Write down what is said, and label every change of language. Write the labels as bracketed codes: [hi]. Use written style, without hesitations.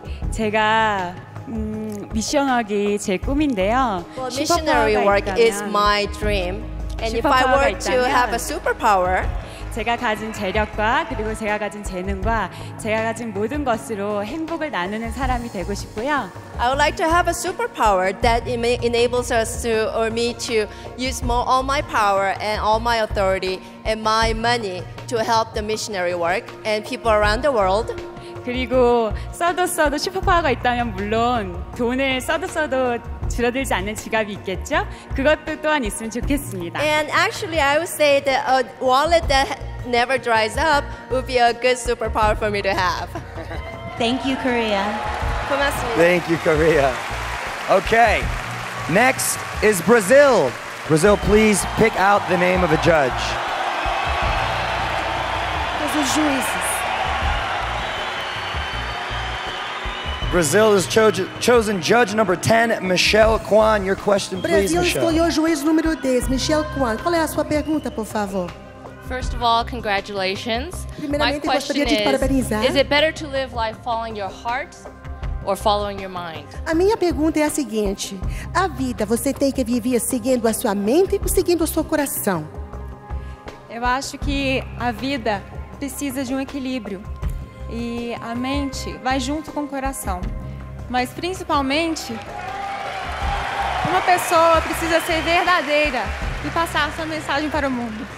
[ko] 제가 미션하기 제 꿈인데요. [en] Well, missionary work is my dream. And if I were to have a superpower, [ko] 제가 가진 재력과 그리고 제가 가진 재능과 제가 가진 모든 것으로 행복을 나누는 사람이 되고 싶고요. [en] I would like to have a superpower that enables us to or me to use more all my power and all my authority and my money to help the missionary work and people around the world. [ko] 그리고 써도 슈퍼파워가 있다면 물론 돈을 써도 줄어들지 않는 지갑이 있겠죠? 그것도 또한 있으면 좋겠습니다. [en] And actually I would say that a wallet that never dries up would be a good superpower for me to have. Thank you, Korea. [ko] 고맙습니다. [en] Thank you, Korea. Okay, next is Brazil. Brazil, please pick out the name of a judge. [pt] Dos juízes. [en] Brazil has chosen judge number 10, Michelle Kwan. Your question, please, [pt] Brazil escolheu juiz número 10, Michelle Kwan. Qual é a sua pergunta, por favor? [en] First of all, congratulations. [pt] Primeiramente, gostaria de parabenizar. [en] Is it better to live life following your heart or following your mind? [pt] A minha pergunta é a seguinte. A vida, você tem que viver seguindo a sua mente ou seguindo o seu coração? Eu acho que a vida precisa de equilíbrio. E a mente vai junto com o coração. Mas principalmente, uma pessoa precisa ser verdadeira e passar sua mensagem para o mundo.